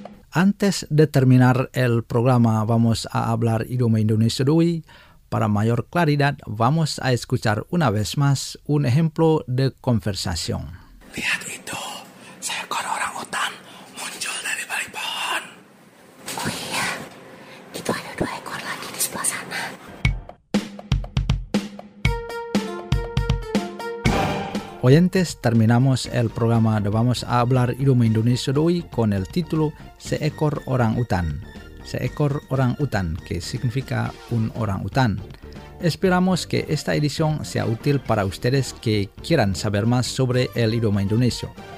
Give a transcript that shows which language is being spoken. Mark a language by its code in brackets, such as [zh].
[es] Antes de terminar el programa, vamos a hablar idioma indonesio de hoy. Para mayor claridad, vamos a escuchar una vez más un ejemplo de conversación. [id] Lihat itu, seekor orang utan muncul dari balik pohon. Oh iya, itu ada dua ekor lagi di sebelah sana. [es] Oyentes, terminamos el programa de Vamos a Hablar Idioma Indonesio de hoy con el título Seekor Orang Utan. Seekor Orang Utan, que significa un orang utan. Esperamos que esta edición sea útil para ustedes que quieran saber más sobre el idioma indonesio.